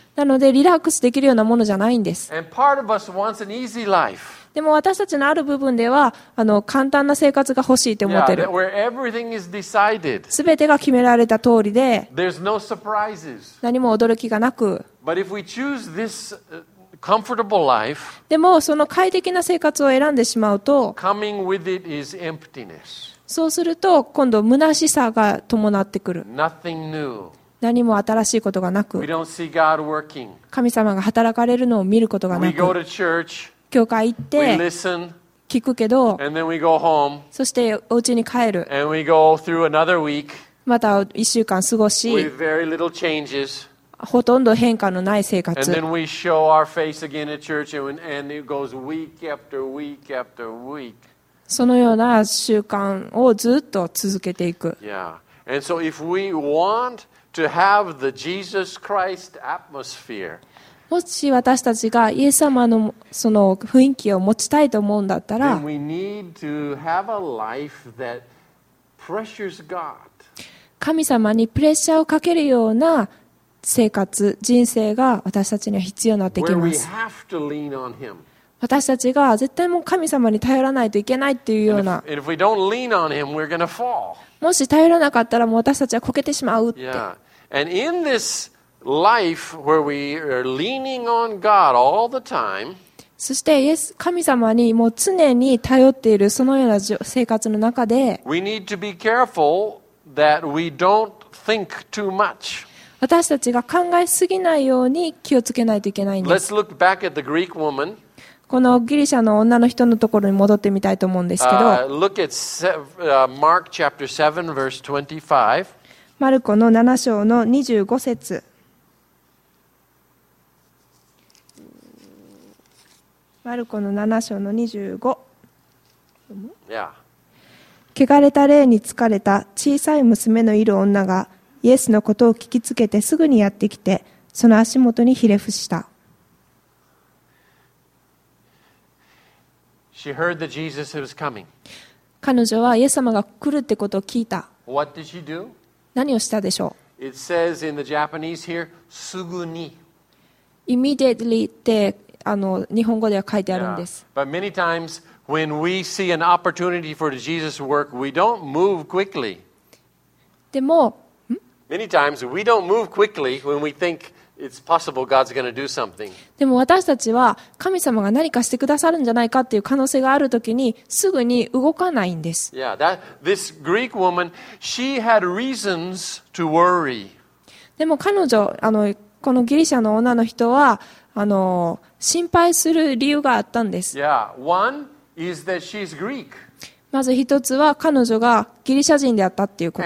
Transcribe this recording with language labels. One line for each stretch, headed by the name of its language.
Japanese: なのでリラックスできるようなものじゃないんです。
English: And part of us wants an easy life.
Japanese: でも私たちのある部分では簡単な生活が欲しいと思ってる。
English: Yeah, where everything is decided.
Japanese: 全てが決められた通りで、
English: There's no surprises.
Japanese: 何も驚きがなく。
English: But if we choose this comfortable life,
Japanese: でもその快適な生活を選んでしまうと、
English: coming with it is emptiness.
Japanese: そうすると今度虚しさが伴ってくる。
English: Nothing new.
Japanese: 何も新しいことがなく、
English: We don't see God working.
Japanese: 神様が働かれるのを見ることがなく、
English: We go to church.
Japanese: 教会行って
English: listen,
Japanese: 聞くけど
English: and then we go home,
Japanese: そしてお家に帰る
English: and we go through another week,
Japanese: また1週間過ごし
English: with very little changes,
Japanese: ほとんど変化のない生活
English: and then we show our face again at church, and it goes week after week after week.
Japanese: そのような習慣をずっと続けていく、
English: yeah. And so if we want to have the Jesus Christ atmosphere
Japanese: もし私たちがイエス様のその雰囲気を持ちたいと思うんだったら、
English: Then we need to have a life that pressures God.
Japanese: 神様にプレッシャーをかけるような生活、人生が私たちには必要になってきます。
English: Where we have to lean on him.
Japanese: 私たちが絶対もう神様に頼らないといけないっていうような。
English: And if we don't lean on him, we're gonna fall.
Japanese: もし頼らなかったらもう私たちはこけてしまうって。
English: Yeah. And in thisLife where we are leaning on God all the time.
Japanese: そして、イエス神様にもう常に頼っているそのような生活の中で、
English: We need to be careful that we don't think too much.
Japanese: 私たちが考えすぎないように気をつけないといけないんです。
English: Let's look back at the Greek woman.
Japanese: このギリシャの女の人のところに戻ってみたいと思うんですけど、
English: Look at Mark chapter 7 verse 25.
Japanese: マルコの7章の25節。マルコの7章の25、
English: yeah.
Japanese: 汚れた霊に疲れた小さい娘のいる女がイエスのことを聞きつけてすぐにやってきて、その足元にひれ伏した。
English: She heard that Jesus was coming.
Japanese: 彼女はイエス様が来るってことを聞いた。
English: What did she do?
Japanese: 何をしたでしょう。
English: It says in the Japanese here, すぐに。
Japanese: Immediately って日本語では書いてあるんです。
English: Yeah. But many times when we see an opportunity for Jesus' work, we don't move quickly.
Japanese: でも、
English: Many times we don't move quickly when we think it's possible God's going to do something.
Japanese: でも私たちは神様が何かしてくださるんじゃないかっていう可能性があるときにすぐに動かないんです。
English: Yeah, that this Greek woman, she had reasons to worry.
Japanese: でも彼女このギリシャの女の人は心配する理由があったんです。
English: Yeah, one is that she's Greek.
Japanese: まず一つは彼女がギリシャ人であったということ。